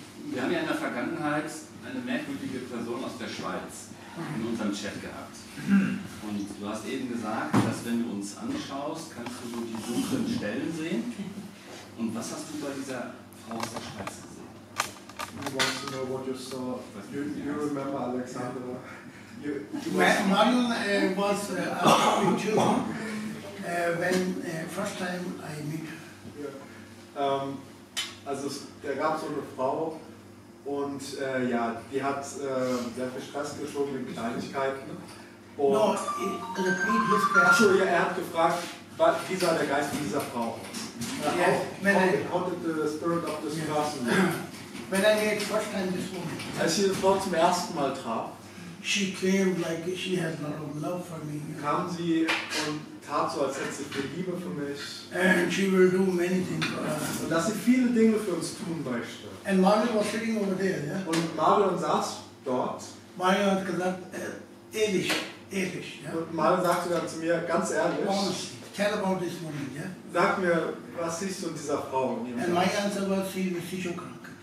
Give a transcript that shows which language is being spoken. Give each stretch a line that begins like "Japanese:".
German: Wir haben ja in der Vergangenheit eine merkwürdige Person aus der Schweiz in unserem Chat gehabt. Und du hast eben gesagt, dass wenn du uns anschaust, kannst du so die dunklen Stellen sehen. Und was hast du bei dieser Frau aus der Schweiz gesehen?
English: You want to know what you saw. You remember Alexander? Marion was in June, when first time I met her. Yeah.
German: Also es, da gab so eine Frau und ja, die hat sehr viel Stress geschoben in Kleinigkeiten. Und also, ja, er hat gefragt, wie sah der Geist dieser Frau aus?
English: When I had first time this woman,
German: als ich diese Frau zum ersten Mal traf,
English: she came like she had a lot of love for me.
German: Kam sie und tat so, als hätte sie Liebe für mich.
English: And she will do many things for us.
German: Und dass sie viele Dinge für uns tun möchte.
English: And Marion was sitting over there, yeah?
German: Und Marion saß dort. Marion hat gesagt, ehrlich, ja? Und Marion sagte dann zu mir, ganz ehrlich, honestly,
English: tell about this woman, yeah?
German: Sag mir, was siehst du in dieser Frau?
English: And my answer was, she is psychokrank.